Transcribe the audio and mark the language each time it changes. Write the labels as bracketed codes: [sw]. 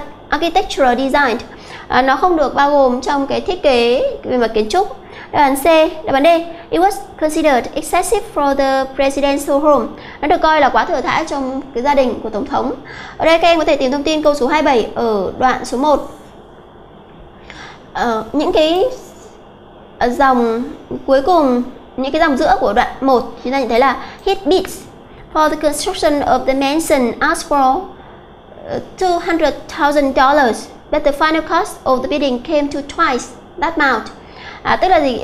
[en] architectural design, [vi] nó không được bao gồm trong cái thiết kế về mặt kiến trúc. Đáp án C. Đáp án D. [en] It was considered excessive for the presidential home. [vi] Nó được coi là quá thừa thãi trong cái gia đình của tổng thống. Ở đây các em có thể tìm thông tin câu số 27 ở đoạn số 1. Những cái dòng cuối cùng, những cái dòng giữa của đoạn 1, chúng ta nhận thấy là [en] his bids for the construction of the mansion asked for $200,000, but the final cost of the building came to twice that amount. [vi] Tức là gì?